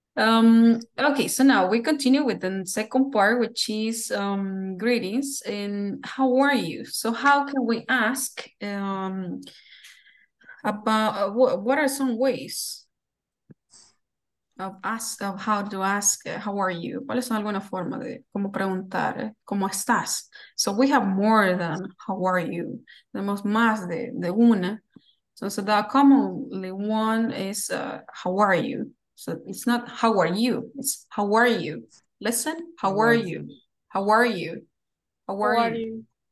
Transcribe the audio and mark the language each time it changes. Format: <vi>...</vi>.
<en>Okay, so now we continue with the second part, which is greetings and how are you? So how can we ask about what are some ways of ask of how to ask how are you?</en> <es>¿Cuáles son alguna forma de cómo preguntar cómo estás?</es> <en>So we have more than how are you.</en> <es>Tenemos más de una.</es> <en>So the commonly one is how are you. So it's not how are you. It's how are you. Listen, how are you? How are you? How are you?</en>